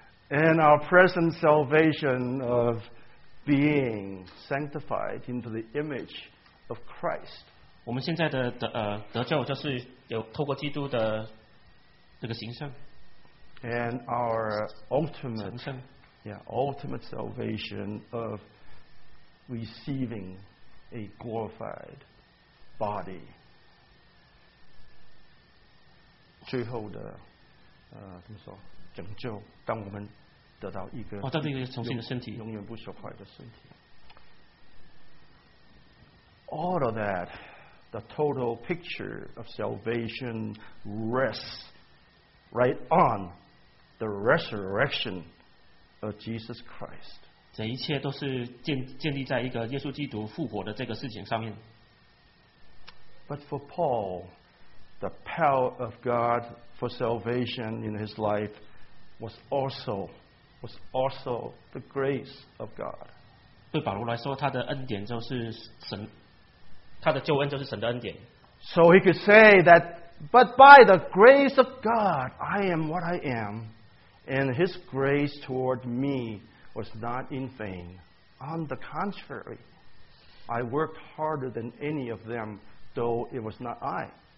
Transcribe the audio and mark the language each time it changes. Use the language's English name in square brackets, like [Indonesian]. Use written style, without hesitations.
[English] And our present salvation of being sanctified into the image of Christ. [Chinese] 我们现在的得救就是有透过基督的这个形象。 [English] And our ultimate salvation of receiving a glorified body. [Chinese] 最后的怎么说拯救，当我们得到一个重新的身体，永远不朽坏的身体。 [English] All of that, the total picture of salvation rests right on the resurrectionOf Jesus Christ. [Chinese] 这一切都是建立在一个耶稣基督复活的这个事情上面。 [English] But for Paul, the power of God for salvation in his life was also the grace of God. [Chinese] 对保罗来说，他的恩典就是神，他的救恩就是神的恩典。 [English] So he could say that, but by the grace of God, I am what I am. And his grace toward me was not in vain. On the contrary, I worked harder than any of them, though it was not I.